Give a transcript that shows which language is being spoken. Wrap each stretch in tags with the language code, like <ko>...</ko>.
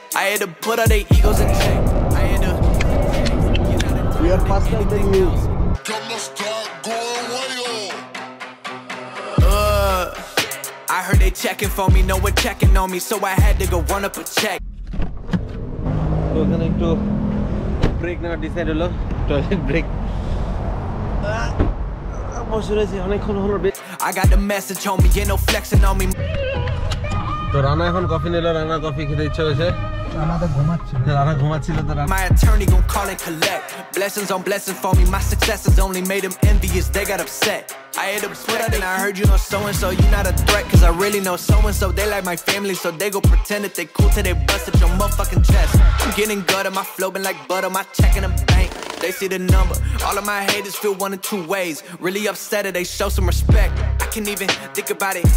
<en>I had to put all their egos in check. I had to. We are past the news. I heard they checking for me, no one checking on me, so I had to go run up a check. So can I do?</en> <bn>Break নেওয়ার decide হলো toilet break বসে রয়েছি অনেকক্ষণ হলো</bn> <en>I got a message home you know flexing on me</en> <bn>তো রানা এখন coffee নিলো Rana coffee খেতে ইচ্ছে হয়েছে</bn> <en>My attorney gon' call and collect Blessings on blessings for me My success has only made them envious They got upset I had to put out and I heard you know so-and-so You're not a threat cause I really know so-and-so They like my family so they go pretend That they cool till they bust at your motherfucking chest I'm getting gutted, my flow been like butter My check in the bank, they see the number All of my haters feel one of two ways Really upset or they show some respect Can't even think about it.</en>